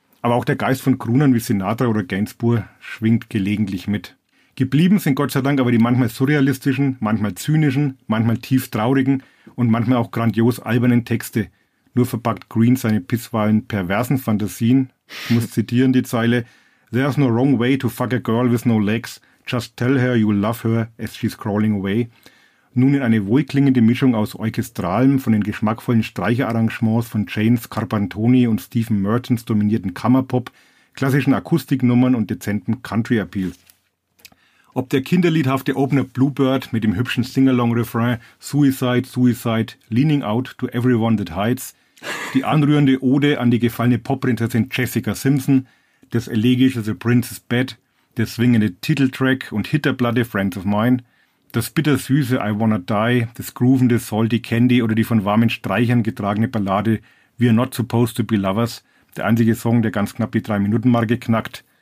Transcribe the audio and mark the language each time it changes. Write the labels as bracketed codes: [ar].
[de] Aber auch der Geist von Croonern wie Sinatra oder Gainsbourg schwingt gelegentlich mit. Geblieben sind Gott sei Dank aber die manchmal surrealistischen, manchmal zynischen, manchmal tief traurigen und manchmal auch grandios albernen Texte. Nur verpackt Green seine bisweilen perversen Fantasien. Ich muss zitieren die Zeile. [en] There's no wrong way to fuck a girl with no legs. Just tell her you love her as she's crawling away. [de] Nun in eine wohlklingende Mischung aus orchestralem, von den geschmackvollen Streicherarrangements von James Carpantoni und Stephen Mertens dominierten Kammerpop, klassischen Akustiknummern und dezentem Country-Appeal. Ob der kinderliedhafte Opener Bluebird mit dem hübschen Singalong-Refrain Suicide, Suicide, Leaning Out to Everyone That Hides, die anrührende Ode an die gefallene Popprinzessin Jessica Simpson, das elegische The Prince's Bed, der swingende Titeltrack und Hitterplatte Friends of Mine, das bittersüße I Wanna Die, das groovende Salty Candy oder die von warmen Streichern getragene Ballade We Are Not Supposed to Be Lovers, der einzige Song, der ganz knapp die 3-Minuten-Marke knackt.